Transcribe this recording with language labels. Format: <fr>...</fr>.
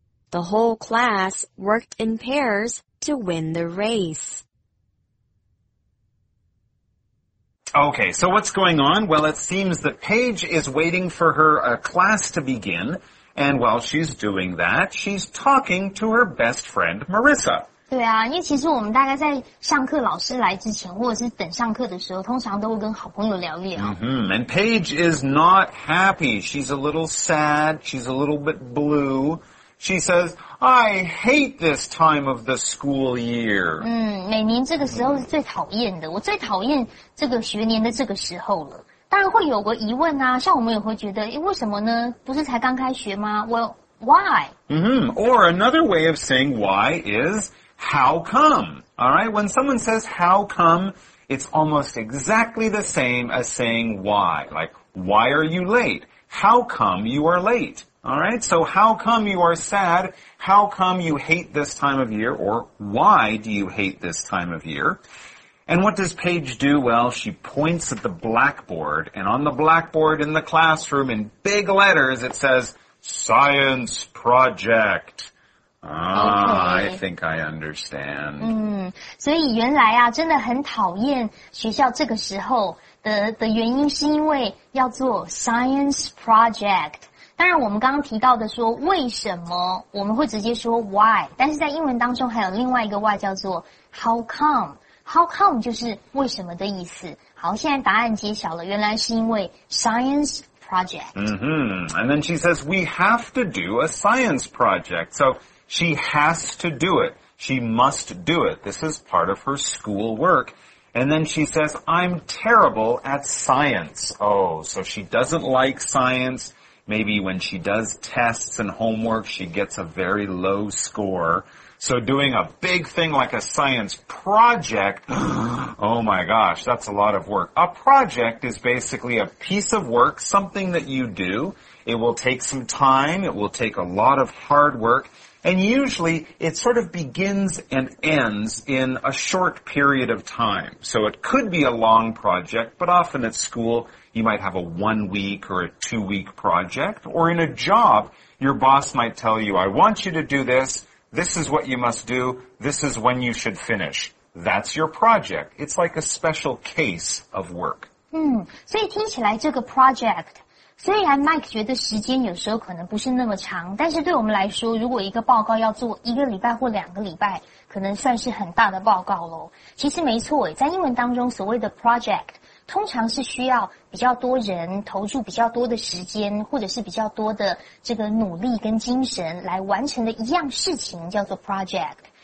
<en>The whole class worked in pairs to win the race. Okay, so what's going on? Well, it seems that Paige is waiting for her class to begin. And while she's doing that, she's talking to her best friend, Marissa.</en> <zh>对啊，因为其实我们大概在上课老师来之前，或者是等上课的时候，通常都会跟好朋友聊一聊。</zh> <en>Mm-hmm. And Paige is not happy. She's a little sad. She's a little bit blue. She says, "I hate this time of the school year."</en> <zh>每年这个时候是最讨厌的。我最讨厌这个学年的这个时候了。当然会有个疑问啊，像我们也会觉得，诶，为什么呢？不是才刚开学吗 ？</zh> <en>Well, why? Mm-hmm. Or another way of saying why is. How come? All right, when someone says how come, it's almost exactly the same as saying why. Like, why are you late? How come you are late? All right, so how come you are sad? How come you hate this time of year? Or why do you hate this time of year? And what does Paige do? Well, she points at the blackboard, and on the blackboard in the classroom, in big letters, it says, Science Project. Okay. I think I understand.</en> <zh>所以原来啊，真的很讨厌学校这个时候的原因，是因为要做 science project。当然，我们刚刚提到的说为什么，我们会直接说 why， 但是在英文当中还有另外一个 why 叫做 how come。 How come 就是为什么的意思。好，现在答案揭晓了，原来是因为 science project。</zh> <en>And then she says we have to do a science project. So. She has to do it. She must do it. This is part of her school work. And then she says, I'm terrible at science. Oh, so she doesn't like science. Maybe when she does tests and homework, she gets a very low score. So doing a big thing like a science project, oh my gosh, that's a lot of work. A project is basically a piece of work, something that you do. It will take some time. It will take a lot of hard work. And usually, it sort of begins and ends in a short period of time. So it could be a long project, but often at school, you might have a 1 week or a 2 week project. Or in a job, your boss might tell you, I want you to do this. This is what you must do. This is when you should finish. That's your project. It's like a special case of work.</en> <zh>所以听起来这个 project... 虽然 Mike 觉得时间有时候可能不是那么长，但是对我们来说，如果一个报告要做一个礼拜或两个礼拜，可能算是很大的报告咯。其实没错，在英文当中所谓的 project 通常是需要比较多人投注比较多的时间，或者是比较多的这个努力跟精神来完成的一样事情叫做 project。</zh>